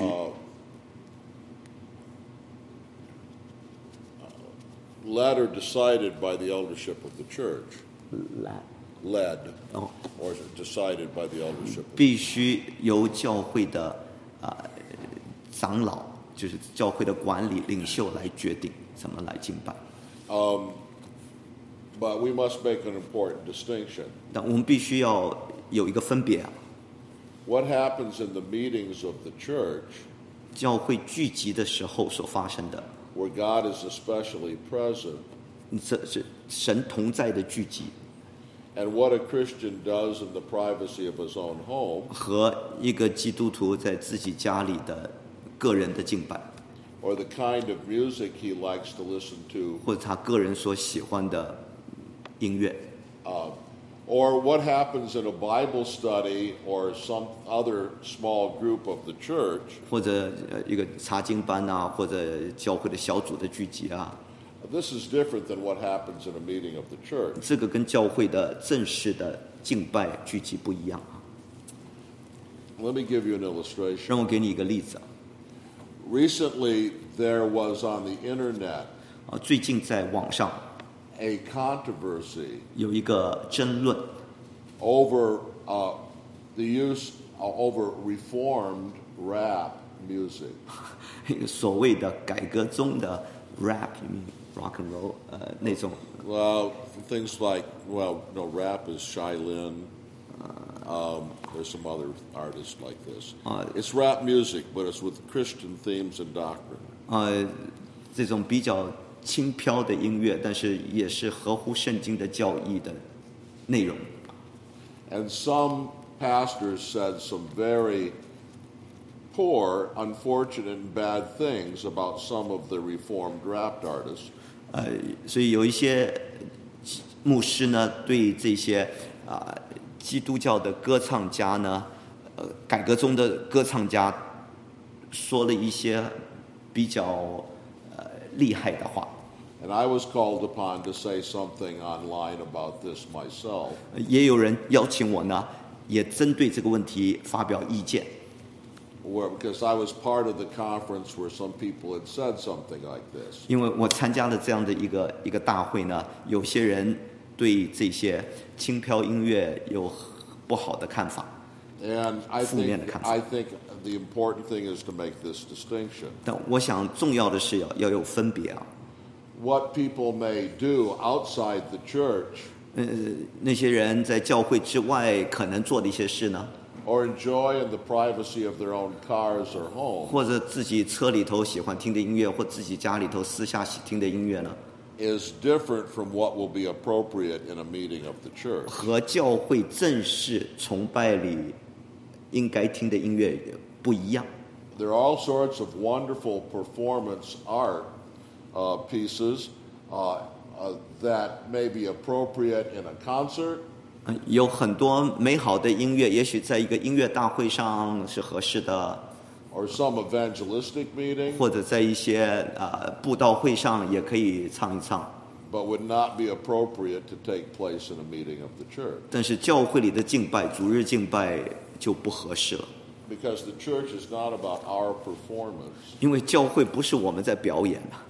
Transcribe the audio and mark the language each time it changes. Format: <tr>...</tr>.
<en>Led or decided by the eldership of the church. Led. Or decided by the eldership.</en> <zh>必须由教会的长老，就是教会的管理领袖来决定怎么来敬拜。</zh> <en>But we must make an important distinction.</en> <zh>但我们必须要有一个分别。</zh> <en>What happens in the meetings of the church?</en> <zh>教会聚集的时候所发生的。</zh> <en>where God is especially present.</en> <zh>神同在的聚集。</zh> <en>And what a Christian does in the privacy of his own home.</en> <zh>和一个基督徒在自己家里的个人的敬拜。</zh> <en>Or the kind of music he likes to listen to.</en> <zh>或者他个人所喜欢的音乐。</zh> <en>Or what happens in a Bible study or some other small group of the church.</en> <zh>或者一个查经班啊，或者教会的小组的聚集啊。</zh> <en>This is different than what happens in a meeting of the church.</en> <zh>这个跟教会的正式的敬拜聚集不一样啊。</zh> <en>Let me give you an illustration.</en> <zh>让我给你一个例子。</zh> <en>Recently, there was on the internet.</en> <zh>最近在网上。</zh> <en>A controversy.</en> <zh>有一个争论。</zh> <en>Over the use over reformed rap music.</en> <zh>所谓的改革中的 rap music。Rock and roll, 那种</zh> <en>Well, things like, well, no, rap is Shaolin. There's some other artists like this. It's rap music, but it's with Christian themes and doctrine.</en> <zh>这种比较轻飘的音乐，但是也是合乎圣经的教义的内容。</zh> <en>And some pastors said some very poor, unfortunate, and bad things about some of the reformed rap artists.</en> <zh>所以有一些牧师呢，对这些基督教的歌唱家呢，改革中的歌唱家，说了一些比较厉害的话。</zh> <en>And I was called upon to say something online about this myself.</en> <zh>也有人邀请我呢，也针对这个问题发表意见。</zh> <en>Well, because I was part of the conference where some people had said something like this.</en> <zh>因为我参加了这样的一个大会呢，有些人对这些轻飘音乐有不好的看法，负面的看法。</zh> <en>I think the important thing is to make this distinction.</en> <zh>但我想重要的是要有分别啊。</zh> <en>What people may do outside the church.</en> <zh>那些人在教会之外可能做的一些事呢？</zh> <en>Or enjoy in the privacy of their own cars or home.</en> <zh>或者自己车里头喜欢听的音乐，或自己家里头私下喜听的音乐呢</zh> <en>？Is different from what will be appropriate in a meeting of the church.</en> <zh>和教会正式崇拜里应该听的音乐不一样。</zh> <en>There are all sorts of wonderful performance art pieces that may be appropriate in a concert.</en> <zh>有很多美好的音乐，也许在一个音乐大会上是合适的，</zh> <en>or some evangelistic meeting,</en> <zh>或者在一些布道会上也可以唱一唱。</zh> <en>But would not be appropriate to take place in a meeting of the church.</en> <zh>但是教会里的敬拜，主日敬拜就不合适了。</zh> <en>Because the church is not about our performance.</en> <zh>因为教会不是我们在表演的。</zh>